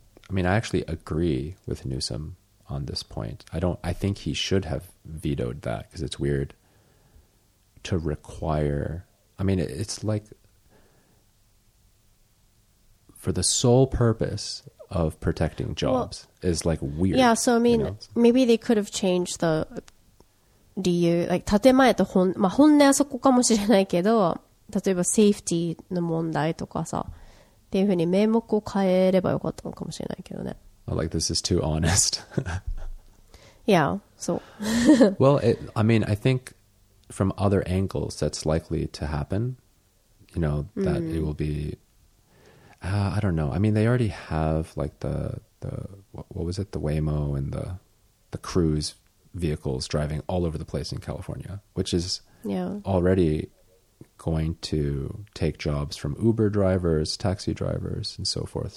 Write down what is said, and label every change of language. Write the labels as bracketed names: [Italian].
[English] I mean, I actually agree with Newsom on this point. I think he should have vetoed that, because it's weird to require. I mean, it's like for the sole purpose of protecting jobs is like weird. Yeah, so I mean, you know? Maybe they could have changed the [Japanese] 理由、like、建前と本、まあ、本音はそこかもしれないけど、例えばセーフティーの問題とかさっていうふうに名目を変えればよかったのかもしれないけどね。 [English] I like this is too honest. Yeah, so Well, I mean, I think from other angles that's likely to happen, you know, that it will be I don't know. I mean, they already have like the Waymo and the cruise vehicles driving all over the place in California, which is already going to take jobs from Uber drivers, taxi drivers, and so forth.